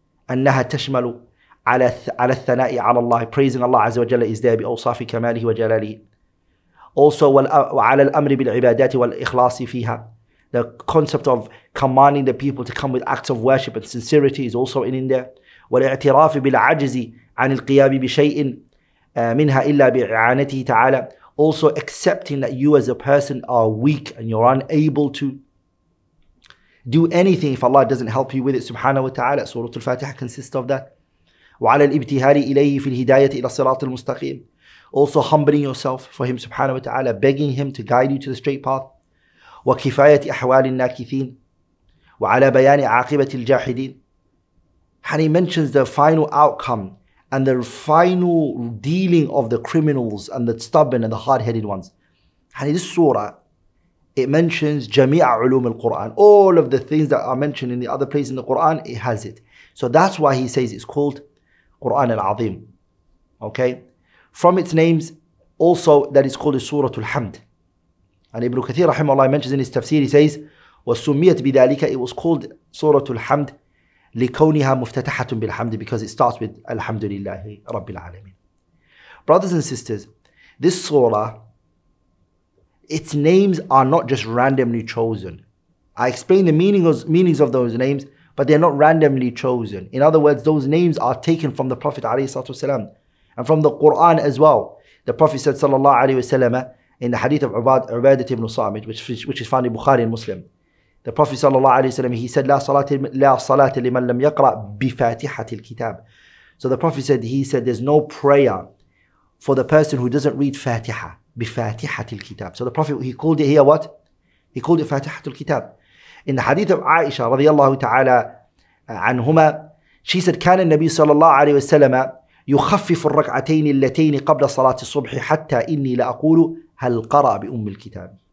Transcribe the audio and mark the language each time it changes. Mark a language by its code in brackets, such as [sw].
[ar] أنها تشمل على الثناء على الله. [en] Praising Allah [ar] عز وجل [en] is there [ar] بأوصاف كماله وجلاله. [en] Also, [ar] وعلى الأمر بالعبادات والإخلاص فيها. [en] The concept of commanding the people to come with acts of worship and sincerity is also in there. [ar] والاعتراف بالعجز عن القيام بشيء منها إلا بإعانته تعالى. [en] Also accepting that you as a person are weak and you're unable to do anything if Allah doesn't help you with it, [ar] سبحانه وتعالى. [en] Surah Al-Fatiha consists of that. [ar] وعلى الابتهال إليه في الهداية إلى الصراط المستقيم. [en] Also humbling yourself for him, [ar] سبحانه وتعالى, [en] begging him to guide you to the straight path. [ar] وكفاية أحوال الناكثين. وعلى بيان عاقبة الجاحدين. [en] And he mentions the final outcome and the final dealing of the criminals and the stubborn and the hard-headed ones. And in this surah, it mentions [ar] jami'a ulum al-Qur'an. [en] All of the things that are mentioned in the other place in the Qur'an, it has it. So that's why he says it's called Qur'an al-Azim. Okay? From its names, also that is called Surah al-Hamd. And Ibn Kathir, rahimahullah, mentions in his tafsir, he says, [ar] وَسُمِّيَتْ بِذَلِكَ, [en] it was called Surah al-Hamd. [ar] لكونها مفتتحة بالحمد, [en] because it starts with [ar] الحمد لله رب العالمين. [en] Brothers and sisters, this surah, its names are not just randomly chosen. I explain the meanings of those names, but they're not randomly chosen. In other words, those names are taken from the Prophet ﷺ and from the Quran as well. The Prophet said sallallahu alaihi wasallam in the hadith of Ubadah ibn Samit, which is found in Bukhari and Muslim. The Prophet sallallahu alaihi wasallam, he said, [ar] لا صلاة لمن لم يقرأ بفاتحة الكتاب. [en] So the Prophet said, he said, there's no prayer for the person who doesn't read [ar] فاتحة, بفاتحة الكتاب. [en] So the Prophet, he called it here what? He called it [ar] فاتحة الكتاب. [en] In the hadith of Aisha [ar] رضي الله تعالى عنهما, [en] she said, [ar] كان النبي صلى الله عليه وسلم يخفف الركعتين اللتين قبل صلاة الصبح حتى إني لأقول هل قرأ بأم الكتاب.